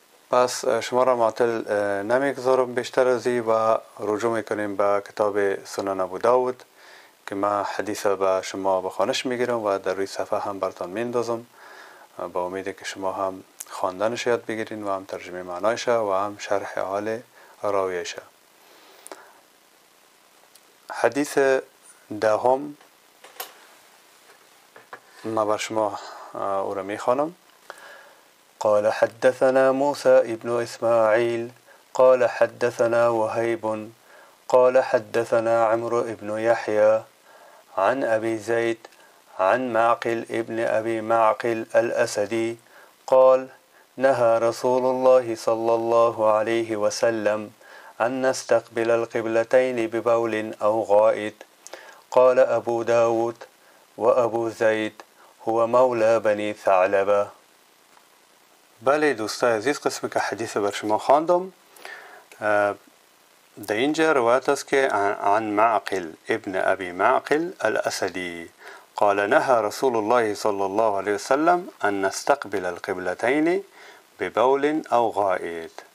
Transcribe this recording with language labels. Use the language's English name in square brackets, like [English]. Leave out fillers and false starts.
[Persian] پس شما را معطل نمیگذارم بیشتر از این و رجوع میکنیم به کتاب سنن ابو داود که ما حدیث به شما به خوانش میگیرم و در روی صفحه هم برتان میندازم با امید که شما هم خواندنش یاد بگیرین و هم ترجمه معنایش و هم شرح حال راویش. حدیث دهم ما بر شما او را میخوانم. [Arabic] قال حدثنا موسى ابن اسماعيل قال حدثنا وهيب قال حدثنا عمرو ابن يحيى عن ابي زيد عن معقل ابن ابي معقل الاسدي قال نهى رسول الله صلى الله عليه وسلم ان نستقبل القبلتين ببول او غائط. قال ابو داود وابو زيد هو مولى بني ثعلبة. [Persian] بله دوستای عزیز، قسمی که حدیث بر شما خواندم در اینجا روایت است که عن معقل ابن ابی معقل الاسدی [Arabic] قال نهى رسول الله صلى الله عليه وسلم ان نستقبل القبلتين ببول او غائط.